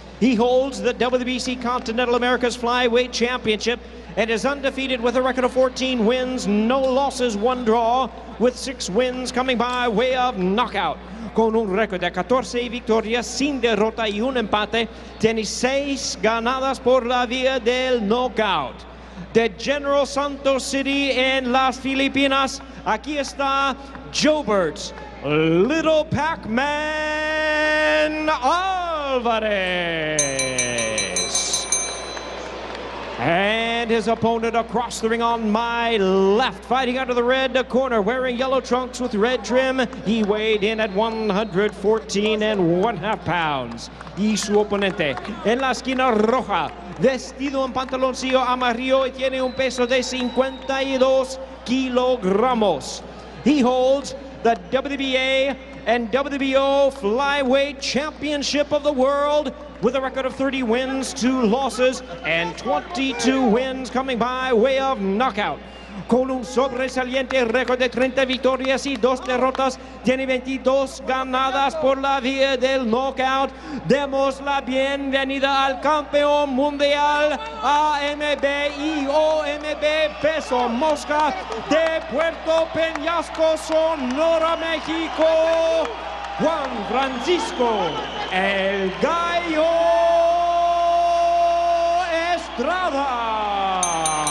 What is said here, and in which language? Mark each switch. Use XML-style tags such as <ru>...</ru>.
<en>He holds the WBC Continental America's Flyweight Championship and is undefeated with a record of 14 wins, no losses, one draw, with 6 wins coming by way of knockout.</en> <es>Con un récord de 14 victorias sin derrota y un empate, tiene 6 ganadas por la vía del knockout. De General Santos City en las Filipinas, aquí está Joebert, Little Pac-Man Álvarez.</es> <en>And his opponent across the ring on my left, fighting out of the red corner, wearing yellow trunks with red trim. He weighed in at 114.5 pounds.</en> <es>Y su oponente en la esquina roja, vestido en pantaloncillo amarillo y tiene un peso de 52 kilogramos.</es> <en>He holds the WBA and WBO Flyweight Championship of the World with a record of 30 wins, 2 losses, and 22 wins coming by way of knockout.</en> <es>Con un sobresaliente récord de 30 victorias y 2 derrotas, tiene 22 ganadas por la vía del knockout. Demos la bienvenida al campeón mundial AMB y OMB Peso Mosca de Puerto Peñasco, Sonora, México, Juan Francisco El Gallo Estrada.</es>